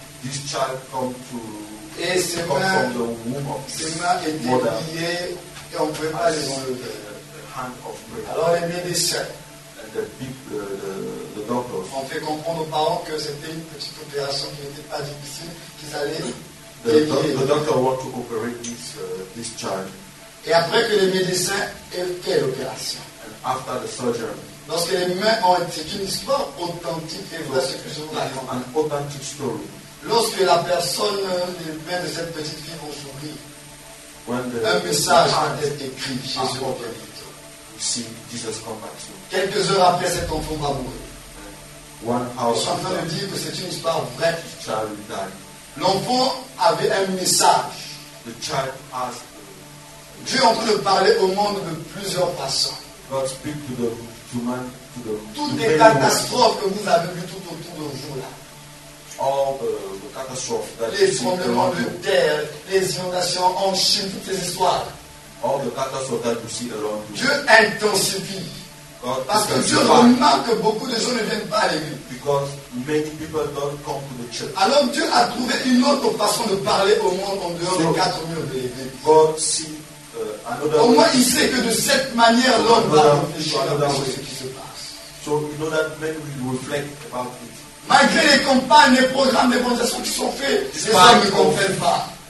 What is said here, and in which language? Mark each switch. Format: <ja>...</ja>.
<en>This child come to.</en> <fr>Et ses mains.</fr> <en>From the womb of</en> <fr>ses mains étaient liées et on ne pouvait pas les enlever.</fr> <en>Hand of prayer.</en> <fr>Alors les médecins.</fr> <en>the doctors.</en> <fr>On fait comprendre aux parents que c'était une petite opération qui n'était pas difficile, qu'ils allaient.</fr> <en>The doctor wants to operate this this child.</en> <fr>Et après que les médecins aient fait l'opération.</fr> <en>And after the surgery.</en> <fr>Lorsque les mains ont été, c'est une histoire authentique et vraie, ce que je vous raconte.</fr> <en>An authentic story.</en> <fr>Lorsque la personne, les mains de cette petite fille vont s'ouvrir,</fr> <en>when the,</en> <fr>un message va être écrit, Jésus va venir.</fr> <en>Si Jesus comes back soon.</en> <fr>Quelques heures après, cet enfant va mourir.</fr> <en>One hour.</en> <fr>Je suis en train de dire que c'est une histoire vraie.</fr> <en>The child will die.</en> <fr>L'enfant avait un message.</fr> <en>The child has.</en> <fr>Dieu en peut parler au monde de plusieurs façons.</fr> <en>God speak to the human, to the.</en> <fr>Toutes les catastrophes que vous avez vues tout autour de vous là.</fr> <en>All the catastrophes that.</en> <fr>Les tremblements de terre, les inondations en Chine, toutes ces histoires.</fr> <en>All the catastrophes that you see around you.</en> <fr>Dieu intensifie.</fr> <en>God.</en> <fr>Parce que Dieu remarque beaucoup de gens ne viennent pas à l'église.</fr> <en>Because many people don't come to the church.</en> <fr>Alors Dieu a trouvé une autre façon de parler au monde en dehors des quatre murs de l'église.</fr> <en>God see.</en> <fr>Au moins, il sait que de cette manière, l'homme va réfléchir à ce qui se passe.</fr> <en>So, you know that men will reflect about it.</en> <fr>Malgré les campagnes, les programmes d'évangélisation qui sont faits, les hommes ne comprennent pas.</fr>